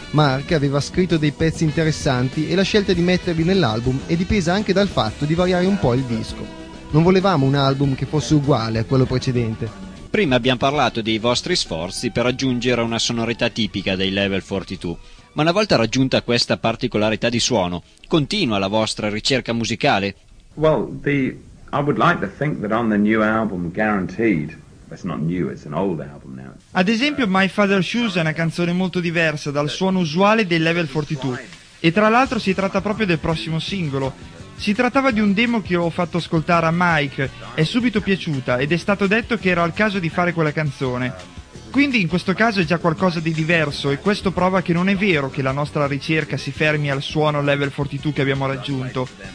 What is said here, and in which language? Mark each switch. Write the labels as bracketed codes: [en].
[it] Mark aveva scritto dei pezzi interessanti e la scelta di metterli nell'album è dipesa anche dal fatto di variare un po' il disco. Non volevamo un album che fosse uguale a quello precedente. Prima abbiamo parlato dei vostri sforzi per raggiungere una sonorità tipica dei Level 42. Ma una volta raggiunta questa particolarità di suono, continua la vostra ricerca musicale? [en] Well, I would like to think that on the new album, Guaranteed, it's not new, it's an old album now. [it] Ad esempio, My Father's Shoes è una canzone molto diversa dal suono usuale dei Level 42. E tra l'altro si tratta proprio del prossimo singolo. Si trattava di un demo che ho fatto ascoltare a Mike, è subito piaciuta ed è stato detto che era il caso di fare quella canzone. Quindi in questo caso è già qualcosa di diverso e questo prova che non è vero che la nostra ricerca si fermi al suono Level 42 che abbiamo raggiunto.